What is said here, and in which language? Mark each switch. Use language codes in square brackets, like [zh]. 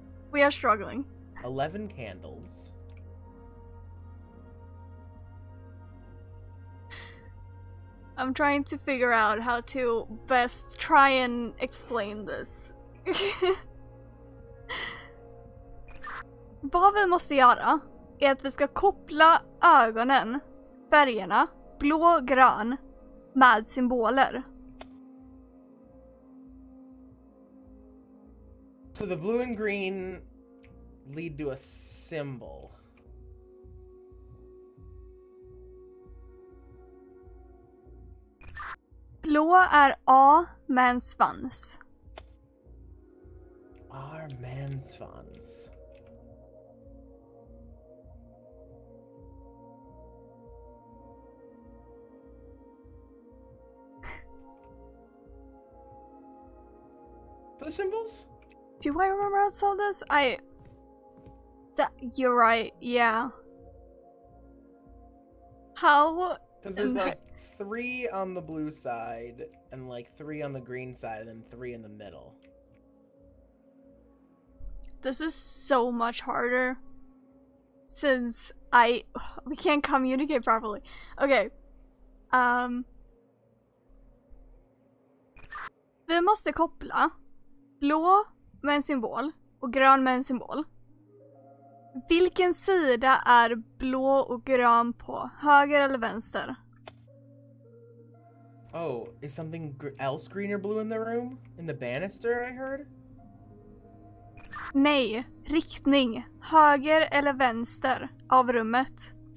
[en] We are struggling. 11 candles. I'm trying to figure out how to best try and explain this. [sv] Vad vi måste göra är att vi ska koppla ögonen, färgerna, blå och grön, med symboler. [en] So the blue and green lead to a symbol. [sv] Blå är A med en svans. [en] Our man's funds. The symbols? Do I remember how to solve this? You're right, yeah. How? Because there's like three on the blue side, and like three on the green side, and then three in the middle. This is so much harder since we can't communicate properly. Okay. [sv] Vi måste koppla blå med en symbol och grön med en symbol. Vilken sida är blå och grön på? Höger eller vänster? [en] Oh, is something else green or blue in the room? In the banister I heard? [sv] Nej, riktning. Höger eller vänster av rummet.